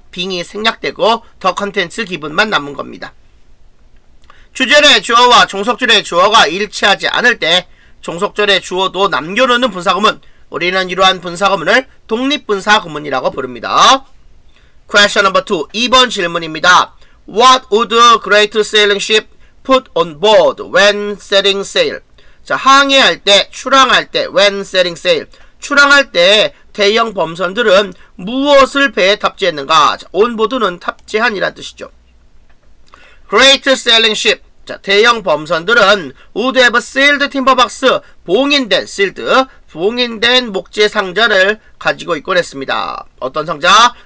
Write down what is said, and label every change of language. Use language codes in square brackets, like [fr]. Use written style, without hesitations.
[ko] being이 생략되고 the contents given만 남은 겁니다. 주절의 주어와 종속절의 주어가 일치하지 않을 때 종속절의 주어도 남겨놓는 분사구문. 우리는 이러한 분사구문을 독립분사구문이라고 부릅니다. [en] Question number 2. [ko] 2번 질문입니다. [en] What would great sailing ship put on board when setting sail? [ko] 자, 항해할 때, 출항할 때, [en] when setting sail. [ko] 출항할 때 대형 범선들은 무엇을 배에 탑재했는가? 자, on board는 탑재한이란 뜻이죠. [en] Great sailing ship. [ko] 자, 대형 범선들은 [en] would have sealed timber box, [ko] 봉인된, sealed, 봉인된 목재 상자를 가지고 있곤 했습니다. 어떤 상자?